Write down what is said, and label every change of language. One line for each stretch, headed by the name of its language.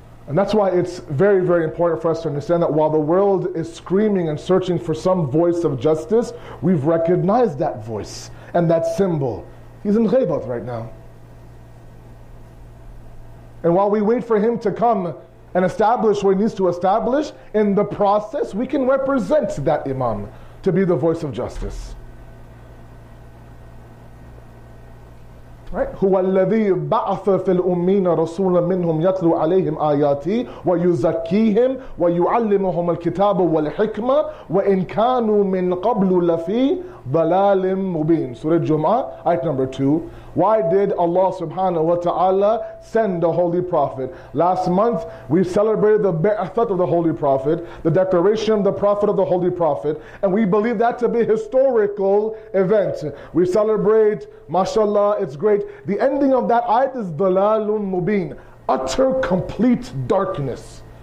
English: And that's why it's very, very important for us to understand that while the world is screaming and searching for some voice of justice, we've recognized that voice and that symbol. He's in Ghaybat right now. And while we wait for him to come and establish what he needs to establish, in the process, we can represent that Imam to be the voice of justice. Right?
Arabic: هو الذي بعث في الأمين رسولا منهم يتلو عليهم آياتي ويزكيهم ويعلمهم الكتاب والحكمة وإن كانوا من قبل لفي ضلال مبين.
English: Surah Jum'ah, ayat number 2. Why did Allah subhanahu wa ta'ala send the Holy Prophet? Last month, we celebrated the Ba'athat of the Holy Prophet, the declaration of the Prophet of the Holy Prophet, and we believe that to be a historical event. We celebrate, mashallah, it's great. The ending of that ayat is dalalun mubin, utter complete darkness.